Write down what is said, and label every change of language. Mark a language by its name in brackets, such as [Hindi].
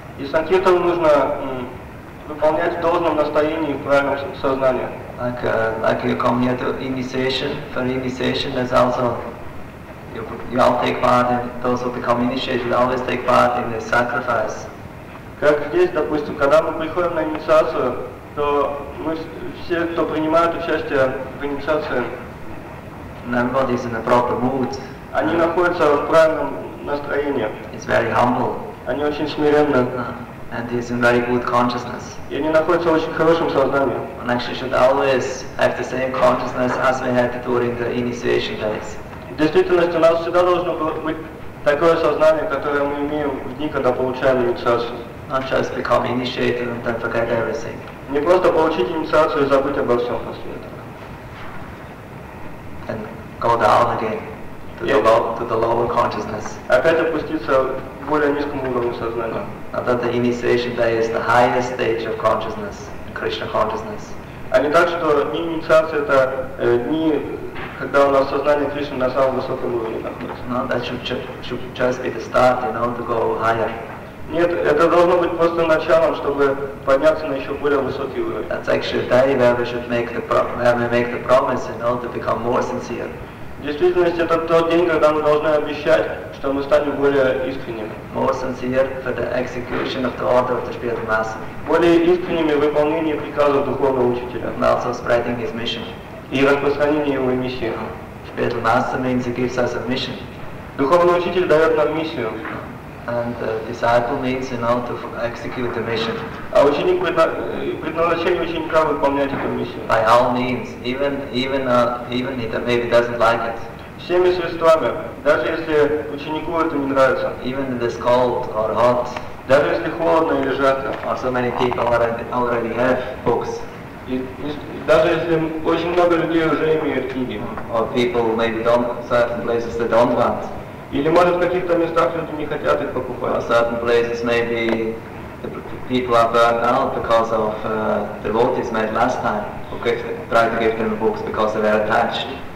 [Russian] И санкхитан нужно выполнять в должном настроении, в правильном сознании. [English] Like you come here to initiation, for initiation there's also you all take part in, those who become initiated always take part in the sacrifice. [Russian] Как здесь, допустим, когда мы приходим на инициацию, то мы все, кто принимают участие в инициации, [English] everybody's in a proper mood. [Russian] Они находятся в правильном настроении. [English] It's very humble. [Russian] Они очень смиренны. [English] And he's in very good consciousness. [Russian] И они находятся в очень хорошем сознании. [English] One actually should always have the same consciousness as we had during the initiation days. [Russian] В действительности, у нас всегда должно быть такое сознание, которое мы имеем в дни, когда получаем инициацию. [English] Not just become initiated and then forget everything. [Russian] Не просто получить инициацию и забыть обо всем после этого. [English] And go down again to the lower consciousness. [Russian] Опять опуститься в более низком уровне сознания. [English] Not that the initiation day is the highest stage of consciousness, Krishna consciousness. [Russian] А не так, что дни инициации это дни, когда у нас сознание Кришны на самом высоком уровне находится. [English] No, that should just be the start, to go higher. [Russian] Нет, это должно быть просто началом, чтобы подняться на еще более высокий уровень. [English] That's actually a day where we should make the promise, to become more sincere. [Russian] В действительности, это тот день, когда мы должны обещать, что мы станем более искренними. [English] More sincere for the execution of the order of the spiritual master. [Russian] Более искренними в выполнении приказа духовного учителя. [English] And also spreading his mission. [Russian] И распространение его миссии. [English] Spiritual master means he gives us a mission. [Russian] Духовный учитель дает нам миссию. [English] And the disciple means to execute the mission. [Russian] А ученик предназначение ученика выполнять эту миссию. [English] By all means, even if he maybe doesn't like it. [Russian] Всеми средствами, даже если ученику это не нравится. [English] Even if it's cold or hot. [Russian] Даже если холодно или жарко. [English] Or so many people already have books. [Russian] И даже если очень много людей уже имеют книги. [English] Or people maybe don't certain places they don't want. [Russian] Или может в каких-то местах люди не хотят их покупать. [English] In certain places maybe the people are burned out because of the devotees made last time. Okay, try to give them books because they were attached.